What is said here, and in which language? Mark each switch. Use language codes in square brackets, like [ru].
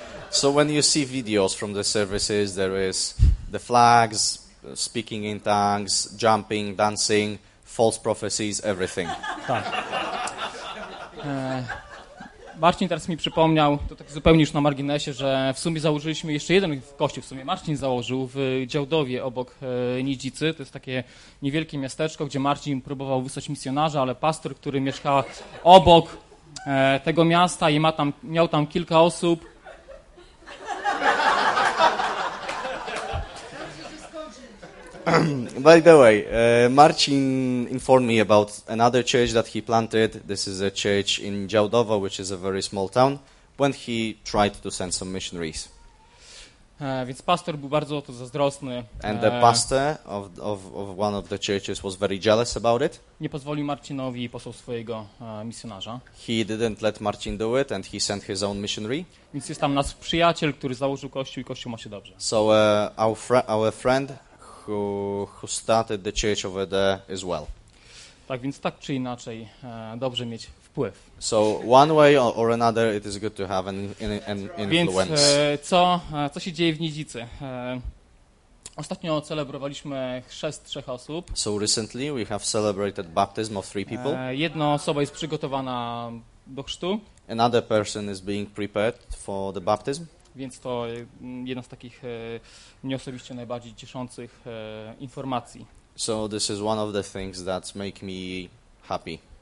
[en] So when you see videos from the services, there is the flags, speaking in tongues, jumping, dancing, false prophecies, everything. [pl] Tak. Marcin teraz mi przypomniał, to tak zupełnie już na marginesie, że w sumie założyliśmy jeszcze jeden kościół, w sumie Marcin założył w Działdowie obok Nidzicy. To jest takie niewielkie miasteczko, gdzie Marcin próbował wysłać misjonarza, ale pastor, który mieszka obok tego miasta i miał tam kilka osób. [en] By the way, Marcin informed me about another church that he planted. This is a church in Działdowo, which is a very small town, when he tried to send some missionaries. [pl] Więc pastor był bardzo o to zazdrosny. [en] And the pastor of one of the churches was very jealous about it. [pl] Nie pozwolił Marcinowi i posłał swojego misjonarza. [en] He didn't let Marcin do it and he sent his own missionary. [pl] Więc jest tam nasz przyjaciel, który założył kościół i kościół ma się dobrze. [en] So our friend who started the church over there as well. [pl] Tak więc tak czy inaczej dobrze mieć wpływ. [en] So one way or another it is good to have an influence. [pl] Więc co się dzieje w Nidzicy? Ostatnio celebrowaliśmy chrzest trzech osób. [en] So recently we have celebrated baptism of three people. [pl] Jedna osoba jest przygotowana do chrztu. [en] Another person is being prepared for the baptism. [pl] Więc to jedna z takich mnie osobiście najbardziej cieszących informacji. [en] So this is one of the things that make me happy.